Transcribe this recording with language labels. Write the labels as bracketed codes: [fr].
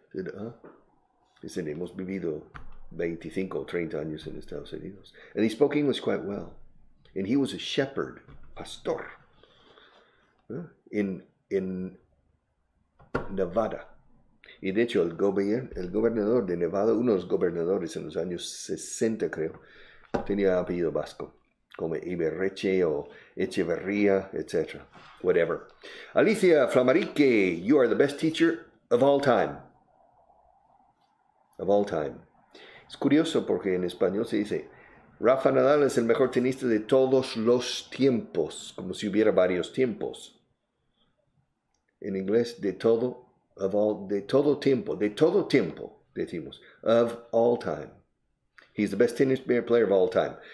[en] I said, [es] Dicen, hemos vivido 25 o 30 años en Estados Unidos. [en] And he spoke English quite well. And he was a shepherd, pastor, in Nevada. [es] Y de hecho, el gobernador de Nevada, uno de los gobernadores en los años 60, creo, tenía apellido vasco, como Iberreche o Echeverría, etc. [en] Whatever. Alicia Flamarique, you are the best teacher of all time. Of all time. [es] Es curioso porque en español se dice Rafa Nadal es el mejor tenista de todos los tiempos, como si hubiera varios tiempos. En inglés, de todo tiempo, decimos, [en] of all time. [es] He's the best tennis player of all time.